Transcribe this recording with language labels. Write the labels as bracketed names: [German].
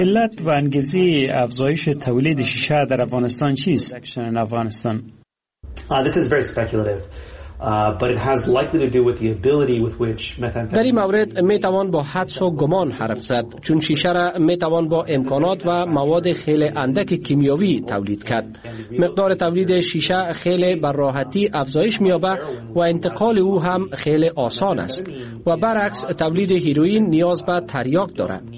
[Persian] علت و انگیزه افزایش تولید شیشه در افغانستان چیست؟ [English] This is very speculative. But it has likely to do with the ability with which methamphetamine. [Persian] در این مورد می توان با حدس و گمان حرف زد، چون شیشه را می توان با امکانات و مواد خیلی اندک کیمیاوی تولید کرد. مقدار تولید شیشه خیلی به راحتی افزایش می یابد و انتقال او هم خیلی آسان است و برعکس تولید هیروئین نیاز به تریاک دارد.